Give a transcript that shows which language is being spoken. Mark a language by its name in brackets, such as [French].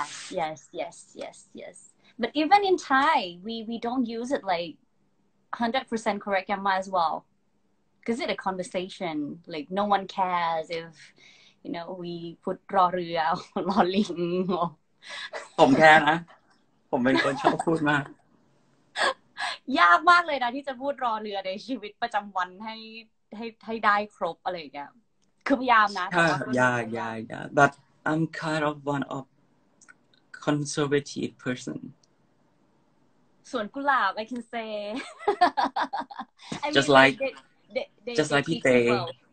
[English] Yes. But even in Thai, we don't use it like 100% correct grammar as well. Because it's a conversation, like no one cares if, you know, we put รอเรือ or รอลิง or... [Thai] ผมแค่นะผมเป็นคนชอบพูดมาก ยากมากเลยนะที่จะพูดรอเรือในชีวิตประจำวันให้ได้ครบอะไรอย่างเงี้ยคือพยายามนะ [English] ยาก but I'm kind of one of conservative person สวนกุหลาบ I can say just like they like Pite